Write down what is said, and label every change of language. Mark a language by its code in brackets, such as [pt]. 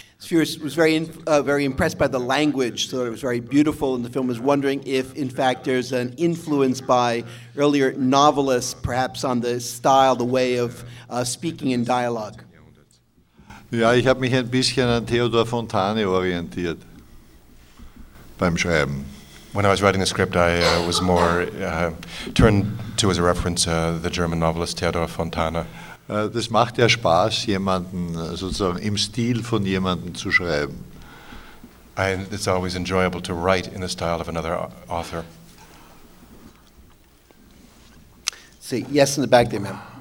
[en] Was very very impressed by the language, thought it was very beautiful in the film, was wondering if in fact there's an influence by earlier novelists perhaps on the style, the way of speaking in dialogue. [de] Ja, ich habe mich ein bisschen an Theodor Fontane orientiert beim Schreiben. [en] When I was writing the script, I was more turned to as a reference the German novelist Theodor Fontane. [de] Das macht ja Spaß, jemanden sozusagen im Stil von jemandem zu schreiben. [en] And it's always enjoyable to write in the style of another author. See, yes, in the back there, ma'am.